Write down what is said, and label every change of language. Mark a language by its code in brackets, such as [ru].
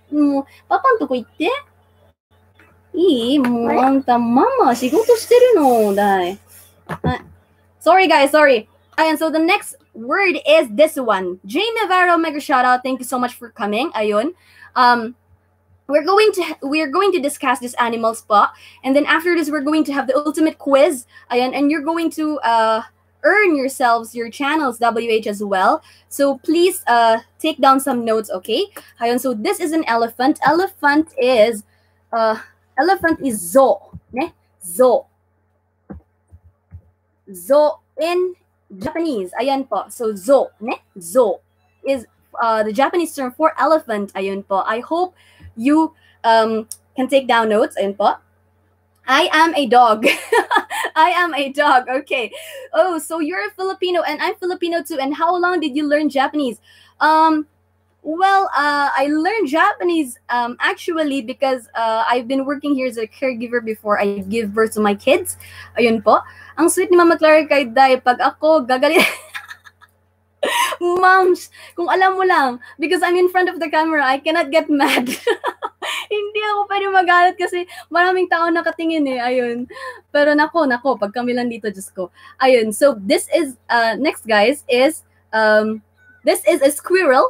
[ja] もうパパんとこ行っていい？もうあんたママ仕事してるのだい。 [en] はい。Sorry guys, sorry. And so the next word is this one. Jay Navarro, mega shout out. Thank you so much for coming. Ayun. We're going to discuss this animal spot. And then after this, we're going to have the ultimate quiz. Ayun. And you're going to earn yourselves your channels WH as well. So please take down some notes, okay? Ayun, so this is an elephant. Elephant is zo, ne? Zo. Zo in Japanese. Ayun po. So zo, ne? Zo is the Japanese term for elephant. Ayun po. I hope you can take down notes. Ayun po. I am a dog. I am a dog. Okay. Oh, so you're a Filipino and I'm Filipino too. And how long did you learn Japanese? I learned Japanese actually because I've been working here as a caregiver before I give birth to my kids. Ayun po. [tl] Ang sweet ni Mama Clara kay Dai pag ako gagalit. [en] Moms, [tl] kung alam mo lang, [en] because I'm in front of the camera, I cannot get mad. [tl] Hindi ako pwede magalit kasi maraming tao nakatingin eh, ayun. Pero nako, pag kami lang dito, Diyos ko. [en] Ayun, so this is, next guys, is, this is a squirrel.